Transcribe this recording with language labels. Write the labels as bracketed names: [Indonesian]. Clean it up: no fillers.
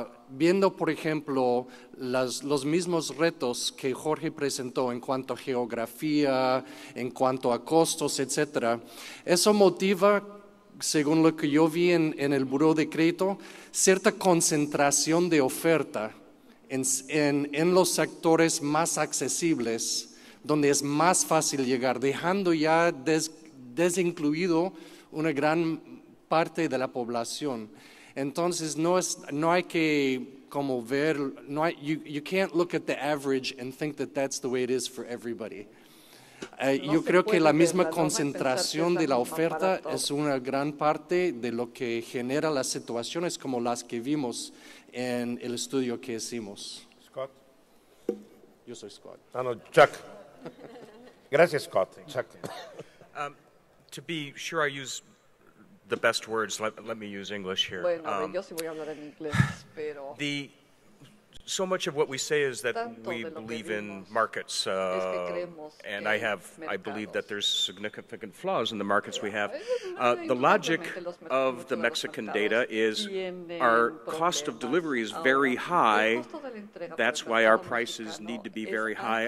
[Spanish] viendo, por ejemplo, los mismos retos que Jorge presentó en cuanto a geografía, en cuanto a costos, etcétera, eso motiva, según lo que yo vi en el Buró de Crédito, cierta concentración de oferta en los sectores más accesibles, donde es más fácil llegar, dejando ya desincluido una gran parte de la población. [English] Entonces, you can't look at the average and think that that's the way it is for everybody. [Spanish] Yo creo que la misma concentración de la oferta es una gran parte de lo que genera las situaciones como las que vimos en el estudio que hicimos. Scott. Yo soy Scott. Ah, no, Chuck. Gracias, Scott. Chuck. [English] To be sure I use the best words, let me use English here. [Spanish] Bueno, yo sí voy a hablar en inglés, pero... [English] So much of what we say is that we believe in markets, and I believe that there's significant flaws in the markets we have. The logic of the Mexican data is our cost of delivery is very high, that's why our prices need to be very high.